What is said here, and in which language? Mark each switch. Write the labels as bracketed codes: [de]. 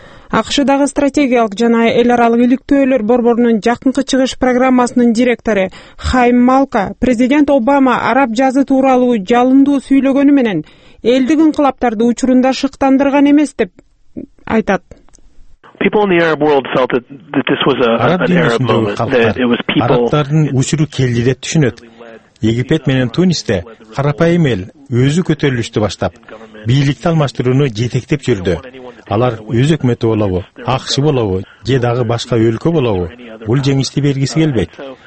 [ky] АКШдагы стратегиялык жана эл аралык иликтөөлөр борборунун жакынкы чыгыш программасынын директору Хайм Малка президент Обама араб жазы тууралуу жалындуу сүйлөгөнү менен элдик инкылаптарды учурунда шыктандырган эмес деп айтат. [en] People in the Arab world felt that this was an Arab moment, that it was people. [ky] Арабтардын учуру келди деп түшүнөт. Египет менен Тунисте карапайым эл өзү көтөрүлүштү баштап, бийликти алмаштырууну жетектеп жүрдү. Алар өз өкмөтү болобу, АКШ болобу же дагы башка өлкө болобу, бул жеңишти бергиси келбейт.